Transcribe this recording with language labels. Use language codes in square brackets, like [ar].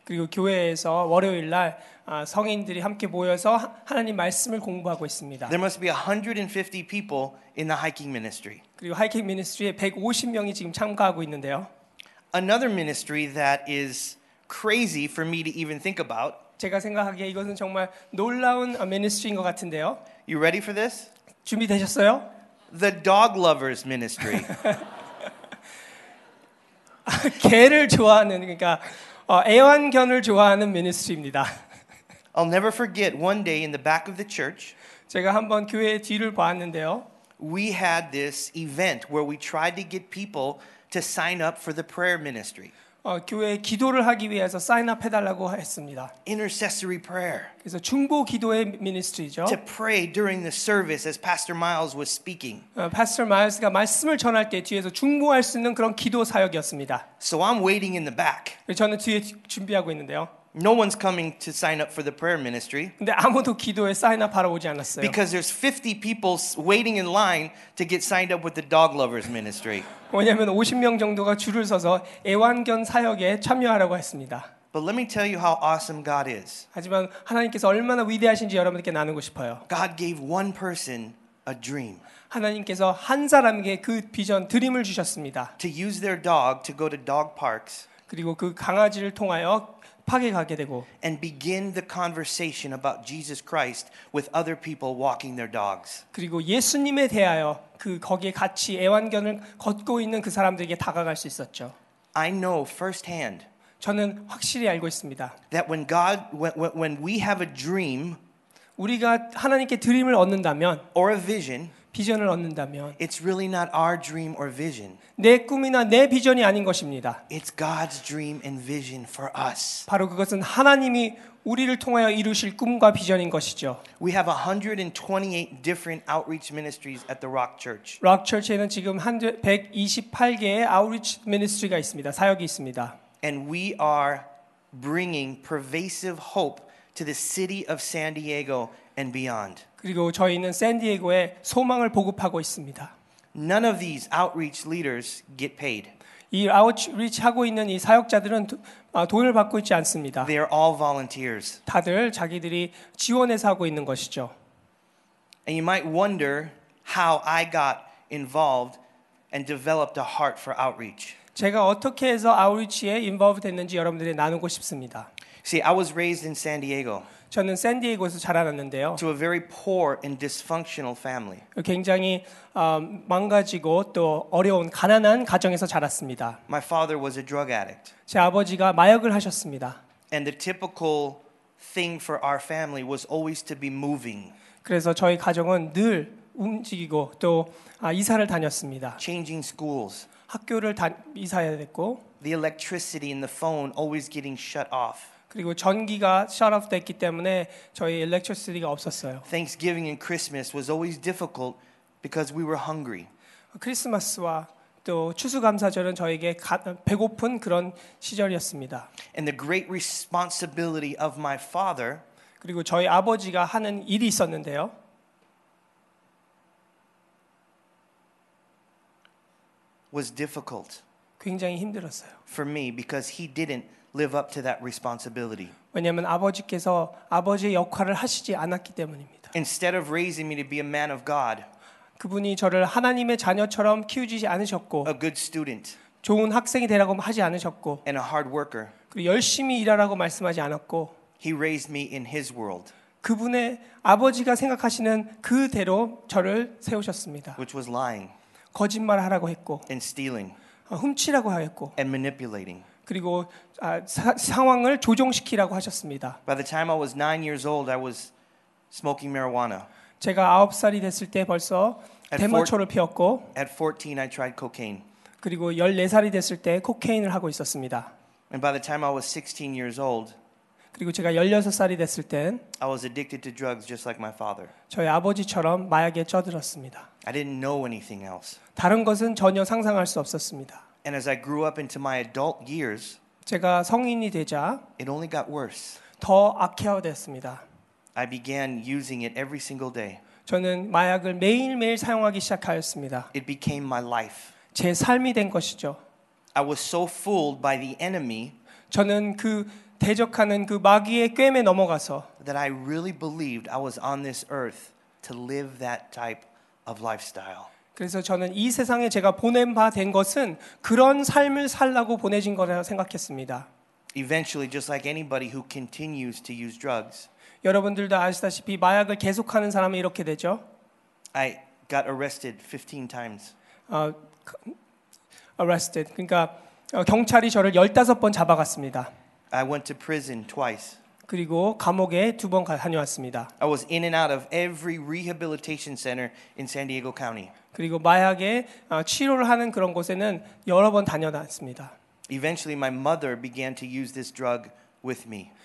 [ko] 그리고 교회에서 월요일 날 성인들이 함께 모여서 하나님 말씀을 공부하고 있습니다. [en] There must be 150 people in the hiking ministry. [ko] 그리고 하이킹 미니스트리에 150명이 지금 참가하고 있는데요. [en] Another ministry that is crazy for me to even think about. [ko] 제가 생각하기에 이것은 정말 놀라운 ministry인 것 같은데요. [en] You ready for this? [ko] 준비되셨어요? [en] The dog lovers ministry. [ko] 개를 좋아하는 그러니까 애완견을 좋아하는 ministry입니다. [en] I'll never forget one day in the back of the church. [ko] 제가 한번 교회의 뒤를 보았는데요. [en] We had this event where we tried to get people to sign up for the prayer ministry. [ko] 교회에 기도를 하기 위해서 사인업 해달라고 했습니다. [en] Intercessory prayer. [ko] 그래서 중보 기도의 미니스트리죠. [en] To pray during the service as Pastor Miles was speaking. [ko] Pastor Miles가 말씀을 전할 때 뒤에서 중보할 수 있는 그런 기도 사역이었습니다. [en] So I'm waiting in the back. [ko] 저는 뒤에 준비하고 있는데요. [en] No one's coming to sign up for the prayer ministry. [ko] 근데 아무도 기도에 사인업하러 오지 않았어요. [en] Because there's 50 people waiting in line to get signed up with the dog lovers ministry. [ko] 왜냐하면 50명 정도가 줄을 서서 애완견 사역에 참여하라고 했습니다. [en] But let me tell you how awesome God is. [ko] 하지만 하나님께서 얼마나 위대하신지 여러분께 나누고 싶어요. [en] God gave one person a dream. [ko] 하나님께서 한 사람에게 그 비전 드림을 주셨습니다. [en] To use their dog to go to dog parks. [ko] 그리고 그 강아지를 통하여 파괴 가게 되고. [en] And begin the conversation about Jesus Christ with other people walking their dogs. [ko] 그리고 예수님에 대하여 그 거기에 같이 애완견을 걷고 있는 그 사람들에게 다가갈 수 있었죠. [en] I know firsthand. [ko] 저는 확실히 알고 있습니다. [en] That when God, when we have a dream, [ko] 우리가 하나님께 드림을 얻는다면, [en] or a vision, [ko] 비전을 얻는다면, [en] it's really not our dream or vision. [ko] 내 꿈이나 내 비전이 아닌 것입니다. [en] It's God's dream and vision for us. [ko] 바로 그것은 하나님이 우리를 통하여 이루실 꿈과 비전인 것이죠. [en] We have 128 different outreach ministries at the Rock Church. [ko] Rock Church에는 지금 128개의 [en] outreach ministry [ko] 가 있습니다. 사역이 있습니다. [en] And we are bringing pervasive hope to the city of San Diego and beyond. [ko] 그리고 저희는 샌디에고에 소망을 보급하고 있습니다. [en] None of these outreach leaders get paid. [ko] 이 아웃리치 하고 있는 이 사역자들은 돈을 받고 있지 않습니다. [en] They are all volunteers. [ko] 다들 자기들이 지원해서 하고 있는 것이죠. [en] And you might wonder how I got involved and developed a heart for outreach. [ko] 제가 어떻게 해서 아웃리치에 involved 됐는지 여러분들에게 나누고 싶습니다. [en] See, I was raised in San Diego. [ko] 저는 샌디에고에서 자라났는데요. [en] To a very poor and dysfunctional family. [ko] 굉장히 망가지고 또 어려운 가난한 가정에서 자랐습니다. [en] My father was a drug addict. [ko] 제 아버지가 마약을 하셨습니다. [en] And the typical thing for our family was always to be moving. [ko] 그래서 저희 가정은 늘 움직이고 또 이사를 다녔습니다. [en] Changing schools. [ko] 학교를 다 이사해야 됐고. [en] The electricity and the phone always getting shut off. [ko] 그리고 전기가 [en] shut off [ko] 됐기 때문에 저희 electricity가 없었어요. [en] Thanksgiving and Christmas was always difficult because we were hungry. [ko] 크리스마스와 또 추수감사절은 저에게 배고픈 그런 시절이었습니다. [en] And the great responsibility of my father. [ko] 그리고 저희 아버지가 하는 일이 있었는데요. [en] Was difficult. [ko] 굉장히 힘들었어요. [en] For me, because he didn't live up to that responsibility. [ko] 왜냐하면 아버지께서 아버지의 역할을 하시지 않았기 때문입니다. [en] Instead of raising me to be a man of God, [ko] 그분이 저를 하나님의 자녀처럼 키우지 않으셨고, [en] a good student, [ko] 좋은 학생이 되라고 하지 않으셨고, [en] and a hard worker, [ko] 그리고 열심히 일하라고 말씀하지 않았고, [en] he raised me in his world, [ko] 그분의 아버지가 생각하시는 그대로 저를 세우셨습니다. [en] Which was lying, [ko] 거짓말하라고 했고, [en] and stealing, [ko] 훔치라고 하였고, [en] and manipulating. [ko] 그리고 상황을 조종시키라고 하셨습니다. [en] By the time I was 9 years old, I was smoking marijuana. [ko] 제가 아홉 살이 됐을 때 벌써 대마초를 피웠고. [en] At 14, I tried cocaine. [ko] 그리고 14살이 됐을 때 코카인을 하고 있었습니다. [en] And by the time I was 16 years old, [ko] 그리고 제가 16살이 됐을 땐 [en] I was addicted to drugs just like my father. [ko] 저희 아버지처럼 마약에 쩌들었습니다. [en] I didn't know anything else. [ko] 다른 것은 전혀 상상할 수 없었습니다. [en] And as I grew up into my adult years, [ko] 제가 성인이 되자 [en] it only got worse. [ko] 더 악화됐습니다. [en] I began using it every single day. [ko] 저는 마약을 매일매일 사용하기 시작하였습니다. [en] It became my life. [ko] 제 삶이 된 것이죠. [en] I was so fooled by the enemy. [ko] 저는 그 대적하는 그 마귀의 꾀에 넘어가서 [en] that I really believed I was on this earth to live that type of lifestyle. [ko] 그래서 저는 이 세상에 제가 보낸 바 된 것은 그런 삶을 살라고 보내진 거라고 생각했습니다. [en] Eventually, just like anybody who continues to use drugs. [ko] 여러분들도 아시다시피 마약을 계속하는 사람이 이렇게 되죠. [en] I got arrested 15 times. Arrested. [ko] 그러니까 경찰이 저를 15번 잡아갔습니다. [en] I went to prison twice. [ko] 그리고 감옥에 두 번 다녀왔습니다. [en] I was in and out of every rehabilitation center in San Diego County. [ko] 그리고 마약에 치료를 하는 그런 곳에는 여러 번 다녀왔습니다. [en] Eventually, my mother began to use this drug with me.